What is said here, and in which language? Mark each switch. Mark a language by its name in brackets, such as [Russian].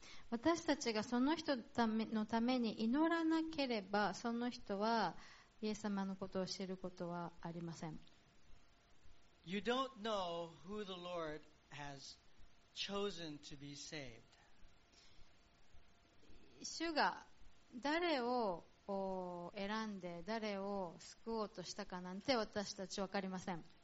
[Japanese] 私たちがその人のために祈らなければ、その人はイエス様のことを知ることはありません。 [English] You don't know who the Lord has chosen to be saved. [Japanese] 主が誰を選んで誰を救おうとしたかなんて私たち分かりません。